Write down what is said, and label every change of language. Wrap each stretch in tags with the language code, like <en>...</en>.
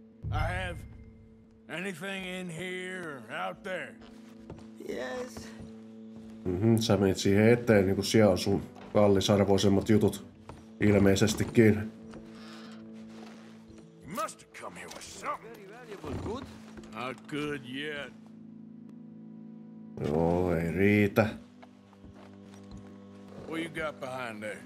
<en>I have anything in here or out there? Yes.</en> <fi>Sä menit siihen eteen, niin kun siellä on sun kallisarvoisemmat jutut ilmeisestikin.</fi> <en>You must have come here with something. Very valuable, good. Not good yet.</en> <fi>Joo, ei riitä.</fi> <en>What you got behind there?</en>